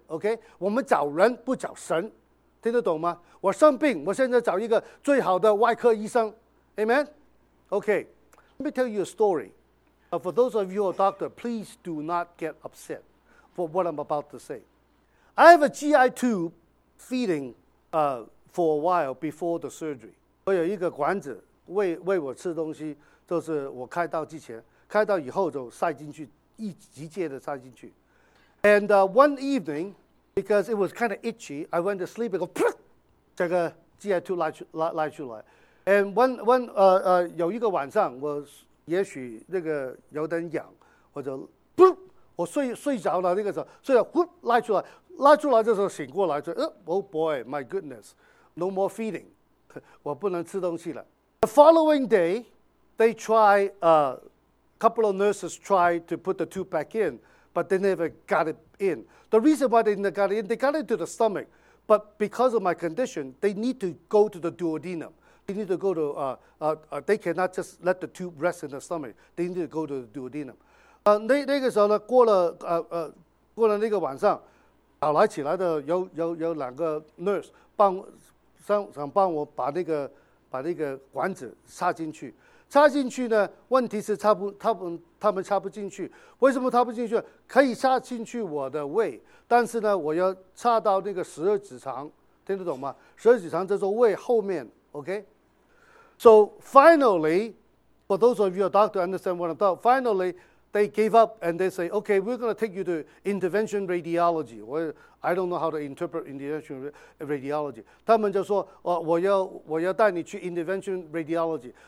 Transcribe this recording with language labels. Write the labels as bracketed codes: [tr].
[zh] OK, 我们找人不找神，听得懂吗？我生病，我现在找一个最好的外科医生。 [en] Amen. OK, let me tell you a story. For those of you who are doctor, please do not get upset. For what I'm about to say, I have a GI tube feeding for a while before the surgery. [zh] 我有一个管子喂我吃东西，就是我开刀之前，开刀以后就塞进去，一节的塞进去。 [en] And one evening, because it was kind of itchy, I went to sleep and go, [zh] 噗，这个 GI tube 拉出来。 [en] And one [zh] 有一个晚上，我也许那个有点痒，我就噗。我睡着了，那个时候睡了，呼拉出来，拉出来的时候醒过来，说： [en] “Oh boy, my goodness, no more feeding， [zh] 我不能吃东西了。” [en] The following day, they try a couple of nurses try to put the tube back in, but they never got it in. The reason why they never got it in, they got it to the stomach, but because of my condition, they need to go to the duodenum. They need to go to they cannot just let the tube rest in the stomach. They need to go to the duodenum. [zh] 那个时候呢，过了那个晚上，早来起来的有两个 nurse 想帮我把那个管子插进去呢。问题是他们插不进去。为什么插不进去？可以插进去我的胃，但是呢，我要插到那个十二指肠，听得懂吗？十二指肠在做胃后面。 [en] OK, so finally, for those of you are doctor, understand what I'm talking. Finally. They gave up and they say, okay, we're going to take you to intervention radiology. Well, I don't know how to interpret intervention radiology. [zh] 他们就说、我要带你去 intervention radiology.